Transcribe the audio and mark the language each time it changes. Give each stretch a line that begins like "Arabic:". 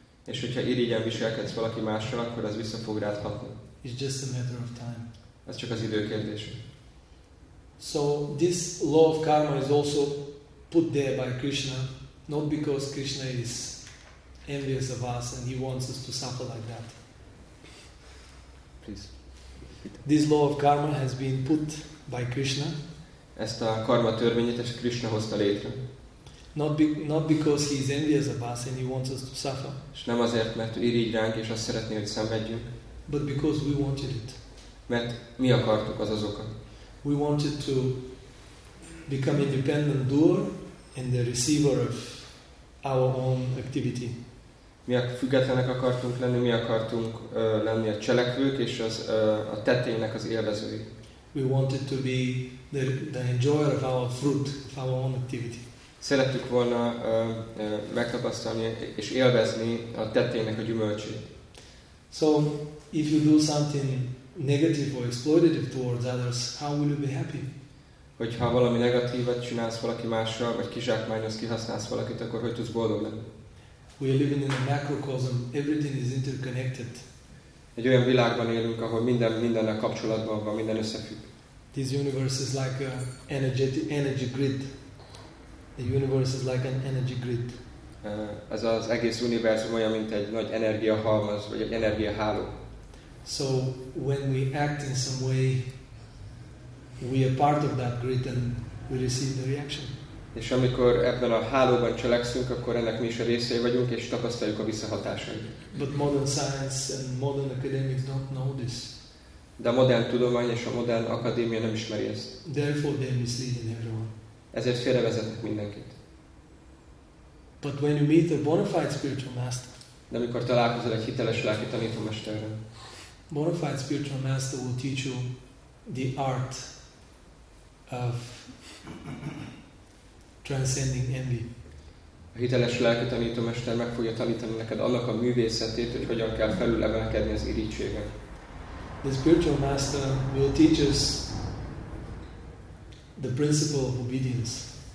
Hungarian: És hogyha irigyen viselkedsz valaki mással, akkor ez vissza fog rád hatni.
English: It's just a matter of time.
Hungarian: Ez csak az időkérdés.
English: So this law of karma is also put there by Krishna, not because Krishna is envious of us and he wants us to suffer like that. Please. This law of karma has been put by Krishna.
Hungarian: Ezt a karma törvényét Krishna hozta létre.
English: Not because he is envious of us and he wants us to suffer.
Hungarian: És nem azért, mert irigy ránk és azt szeretné, hogy szenvedjünk.
English: But because we wanted it.
Hungarian: Mert mi akartuk az azokat.
English: We wanted to become independent doer and the receiver of our own activity.
Hungarian: Mi függetlenek akartunk lenni, mi akartunk lenni a cselekvők és az a tetteinek az élvezői.
English: We wanted to be the enjoyer of our fruit, of our own activity.
Hungarian: Szerettük volna megtapasztalni és élvezni a tetteinek a gyümölcsét.
English: So, if you do something negative or exploitative towards others, how will you be happy?
Hungarian: Hogyha valami negatívat csinálsz valaki mással, vagy kizsákmányolsz, kihasználsz valakit, akkor hogy tudsz boldog lenni?
English: We are living in a macrocosm. Everything is interconnected.
Hungarian: Egy olyan világban élünk, ahol minden mindennel kapcsolatban van, minden összefügg.
English: This universe is like an energy grid. The universe is like an energy grid.
Hungarian: Ez az egész univerzum olyan, mint egy nagy energiahalmaz, vagy egy energiaháló.
English: So when we act in some way, we are part of that grid and we receive the reaction.
Hungarian: És amikor ebben a hálóban cselekszünk, akkor ennek mi is a részei vagyunk, és tapasztaljuk a visszahatásait.
English: But modern science and modern academics don't know this.
Hungarian: De a modern tudomány és a modern akadémia nem ismeri ezt.
English: Therefore they are misleading everyone.
Hungarian: Ezért félrevezetnek mindenkit.
English: But when you meet a bona fide spiritual master,
Hungarian: de amikor találkozol egy hiteles lelki tanítómesterrel,
English: bona fide spiritual master will teach you the art of transcending envy.
Hungarian: A hiteles lelki tanítómester meg fogja tanítani neked annak a művészetét, hogy hogyan kell felülemelkedni az irigységen.
English: The spiritual master will teach us the principle of obedience.